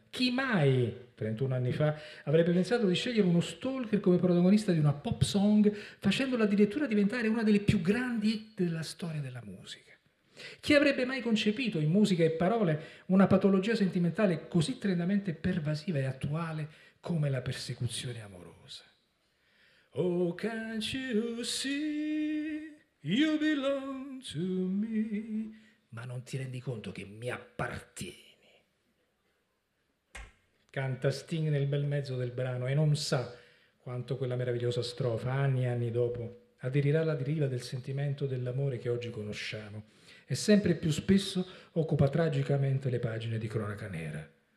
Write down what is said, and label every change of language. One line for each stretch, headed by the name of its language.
Italian: Chi mai, 31 anni fa, avrebbe pensato di scegliere uno stalker come protagonista di una pop song, facendola addirittura diventare una delle più grandi hit della storia della musica? Chi avrebbe mai concepito in musica e parole una patologia sentimentale così tremendamente pervasiva e attuale come la persecuzione amorosa?
English: Oh, can't you see, you belong to me.
Italian: Ma non ti rendi conto che mi appartieni? Canta Sting nel bel mezzo del brano e non sa quanto quella meravigliosa strofa, anni e anni dopo, aderirà alla deriva del sentimento dell'amore che oggi conosciamo e sempre più spesso occupa tragicamente le pagine di cronaca nera.